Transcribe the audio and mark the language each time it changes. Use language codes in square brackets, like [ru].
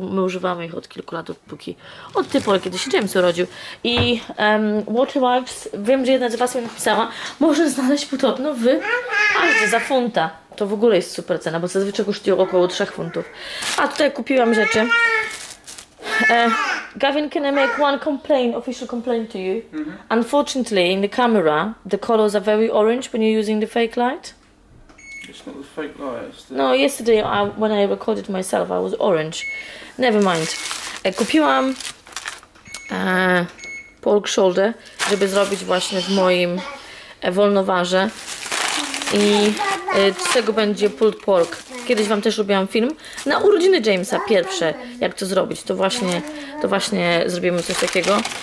[pl] My używamy ich od kilku lat, od tej pory, kiedy się James urodził. I Water Wipes, wiem, że jedna z was mi napisała, może znaleźć podobno w... Patrzcie, za funta. To w ogóle jest super cena, bo zazwyczaj kosztują około 3 funtów. A tutaj kupiłam rzeczy. [en] Gavin, can I make one complaint, official complaint to you? Mm-hmm. Unfortunately, in the camera, the colors are very orange when you're using the fake light. It's not the fake light, it's the... No, yesterday when I recorded myself, I was orange. Never mind. [pl] Kupiłam pork shoulder, żeby zrobić właśnie w moim wolnowarze. I z tego będzie pulled pork. Kiedyś wam też robiłam film na urodziny Jamesa, pierwsze, jak to zrobić, to właśnie zrobimy coś takiego.